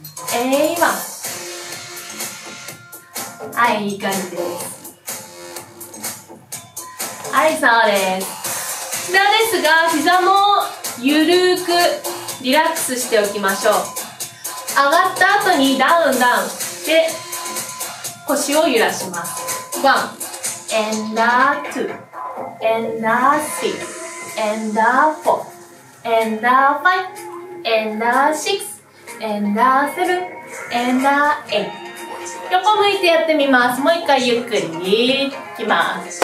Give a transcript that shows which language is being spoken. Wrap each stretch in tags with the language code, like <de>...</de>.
<ja>A1、 はい、いい感じです。はい、そうです。ではですが、膝もゆるくリラックスしておきましょう。上がった後にダウンダウンで腰を揺らします。</ja> <en>1 and a 2 and a 3 and a 4 and a 5 and a 6And a seven, and a eight.</en> <ja>横向いてやってみます。もう一回ゆっくりいきます。</ja>